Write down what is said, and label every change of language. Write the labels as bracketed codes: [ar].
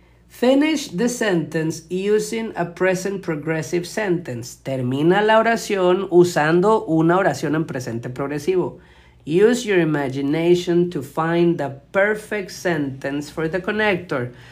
[en] Finish the sentence using a present progressive sentence. [es] Termina la oración usando una oración en presente progresivo. [en] Use your imagination to find the perfect sentence for the connector.